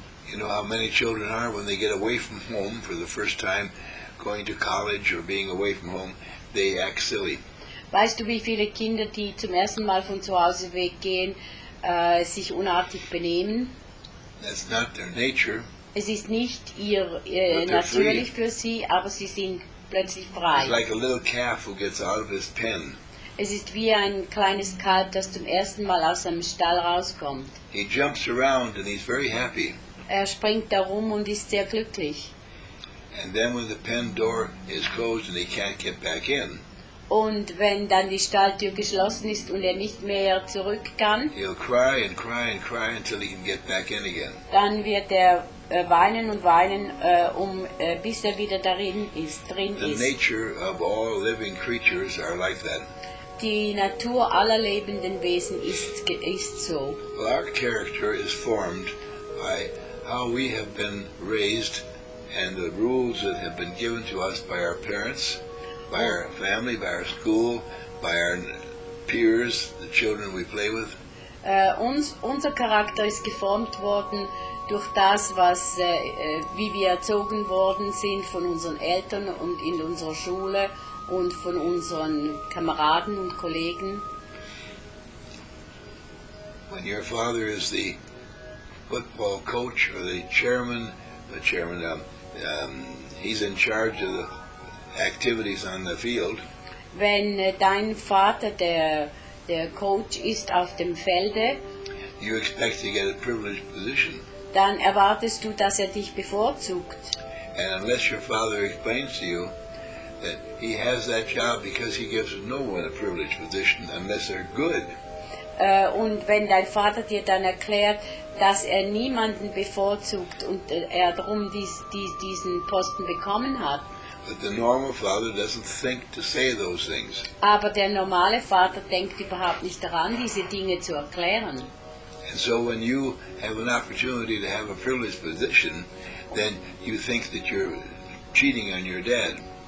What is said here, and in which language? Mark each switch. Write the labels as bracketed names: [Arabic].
[English] You know how many children are when they get away from home for the first time, going to college or being away from home, they act silly. [German] Weißt du, wie viele Kinder, die zum ersten Mal von zu Hause weggehen, sich unartig benehmen? [English] That's not their nature. [German] Es ist nicht ihr natürlich free. Für sie, aber sie sind plötzlich frei. [English] It's like a little calf who gets out of his pen. [German] Es ist wie ein kleines Kalb, das zum ersten Mal aus seinem Stall rauskommt. [English] He jumps around and he's very happy. [German] Er springt da rum und ist sehr glücklich. [English] And then when the pen door is closed and he can't get back in. [German] Und wenn dann die Stalltür geschlossen ist und er nicht mehr zurück kann, [English] he'll cry and cry and cry until he can get back in again. [German] Dann wird er weinen und weinen, bis er wieder darin ist, drin ist. [English] The nature of all living creatures are like that. [German] Die Natur aller lebenden Wesen ist so. [English] Well, our character is formed by how we have been raised and the rules that have been given to us by our parents, by our family, by our school, by our peers, the children we play with. [German] Unser Charakter ist geformt worden durch das, was wie wir erzogen worden sind von unseren Eltern und in unserer Schule und von unseren Kameraden und Kollegen. [English] When your father is the football coach or he's in charge of the activities on the field. [German] Wenn dein Vater der Coach ist auf dem Felde, [English] you expect to get a privileged position. [German] Dann erwartest du, dass dich bevorzugt. [English] And unless your father explains to you that he has that job because he gives no one a privileged position unless they're good. [German] Und wenn dein Vater dir dann erklärt, dass niemanden bevorzugt und darum diesen Posten bekommen hat. [English] But the normal father doesn't think to say those things. [German] Aber der normale Vater denkt überhaupt nicht daran, diese Dinge zu erklären. [English] And so when you have an opportunity to have a privileged position, then you think that you're cheating on your dad.